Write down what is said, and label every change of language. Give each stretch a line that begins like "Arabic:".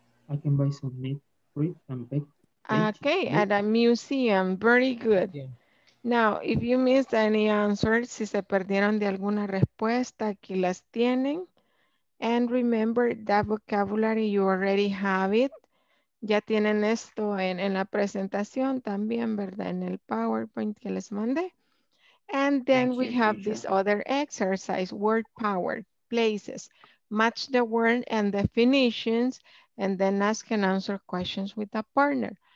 English: I can buy some meat, fruit, and vegetables. Okay, at a museum. Very good. Yeah. Now, if you missed any answers,
Spanish: si se perdieron de alguna respuesta, aquí las tienen.
English: And remember that vocabulary, you already have it.
Spanish: Ya tienen esto en la presentación también, ¿verdad? En el PowerPoint que les mandé.
English: And then we have this other exercise, word power, places. Match the word and definitions, and then ask and answer questions with a partner.